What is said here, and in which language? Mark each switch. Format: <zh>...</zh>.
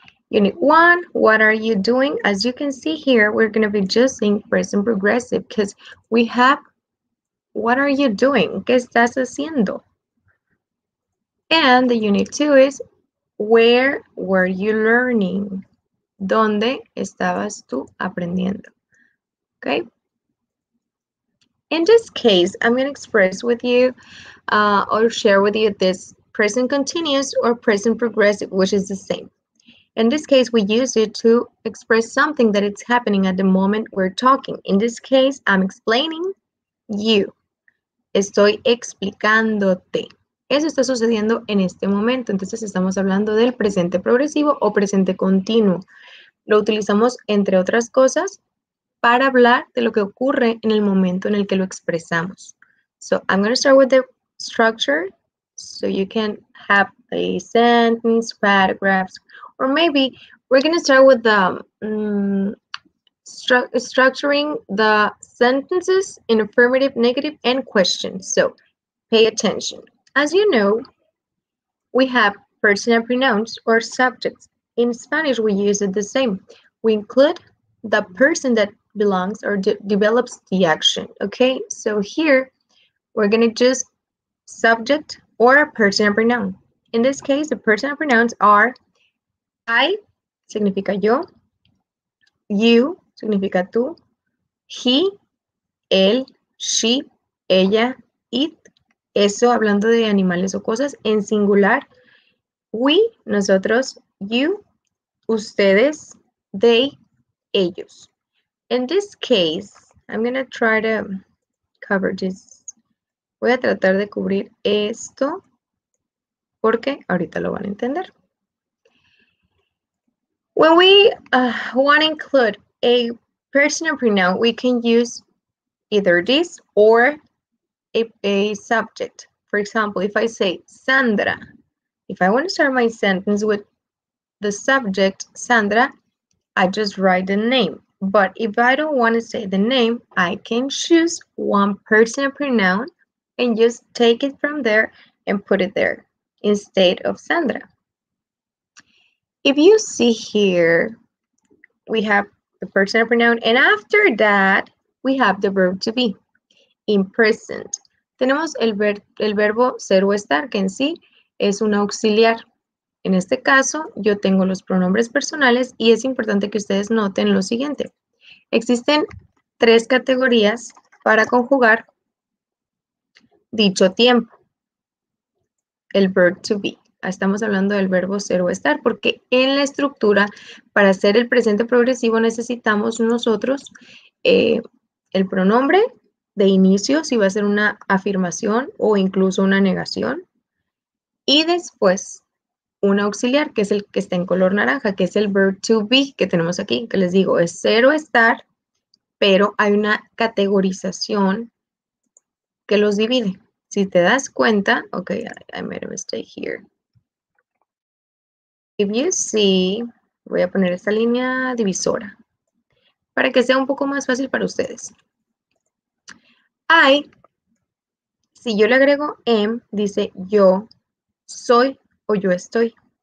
<en>Unit one, what are you doing? As you can see here, we're going to be just saying present progressive because we have, what are you doing?</en> <es>¿Qué estás haciendo?</es> <en>And the unit two is, where were you learning?</en> <es>¿Dónde estabas tú aprendiendo?</es> <en>Okay. In this case, I'm going to express with you or share with you this present continuous or present progressive, which is the same. In this case, we use it to express something that is happening at the moment we're talking. In this case, I'm explaining you.</en> <es>Estoy explicándote. Eso está sucediendo en este momento. Entonces, estamos hablando del presente progresivo o presente continuo. Lo utilizamos, entre otras cosas, para hablar de lo que ocurre en el momento en el que lo expresamos.</es> <en>So, I'm going to start with the structure so you can have a sentence, paragraphs, or maybe we're going to start with the structuring the sentences in affirmative, negative, and questions. So, pay attention. As you know, we have personal pronouns or subjects. In Spanish, we use it the same. We include the person that belongs or develops the action, okay? So here, we're going to just subject or a personal pronoun. In this case, the personal pronouns are I,</en> <es>significa yo,</es> <en>you,</en> <es>significa tú,</es> <en>he, él, she, ella, it.</en> <es>Eso hablando de animales o cosas en singular, we, nosotros, you, ustedes, they, ellos.</es> <en>In this case, I'm going to try to cover this.</en> <es>Voy a tratar de cubrir esto porque ahorita lo van a entender.</es> <en>When we want to include a personal pronoun, we can use either this or a subject. For example, if I say Sandra, if I want to start my sentence with the subject Sandra, I just write the name. But if I don't want to say the name, I can choose one personal pronoun and just take it from there and put it there instead of Sandra. If you see here, we have the personal pronoun, and after that, we have the verb to be in present.</en> <es>Tenemos el verbo ser o estar, que en sí es un auxiliar. En este caso, yo tengo los pronombres personales y es importante que ustedes noten lo siguiente. Existen tres categorías para conjugar dicho tiempo. El verb to be. Estamos hablando del verbo ser o estar porque en la estructura, para hacer el presente progresivo, necesitamos nosotros el pronombre de inicio, si va a ser una afirmación o incluso una negación. Y después, un auxiliar, que es el que está en color naranja, que es el verb to be que tenemos aquí, que les digo, es ser o estar, pero hay una categorización que los divide. Si te das cuenta,</es> <en>ok, I made a mistake here. If you see,</en> <es>voy a poner esta línea divisora para que sea un poco más fácil para ustedes. I, si yo le agrego am, dice yo soy o yo estoy.</es>